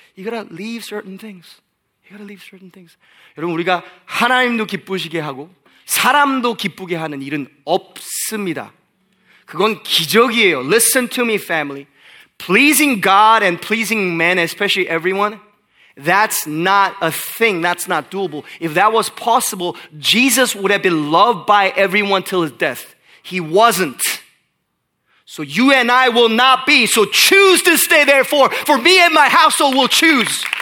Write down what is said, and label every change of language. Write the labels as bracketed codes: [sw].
[en] You gotta leave certain things. You gotta leave certain things. [ko] 여러분, 우리가 하나님도 기쁘시게 하고 사람도 기쁘게 하는 일은 없습니다. 그건 기적이에요. [en] Listen to me, family. Pleasing God and pleasing men, especially everyone, that's not a thing. That's not doable. If that was possible, Jesus would have been loved by everyone till his death. He wasn't. So you and I will not be. So choose to stay there for me and my household will choose.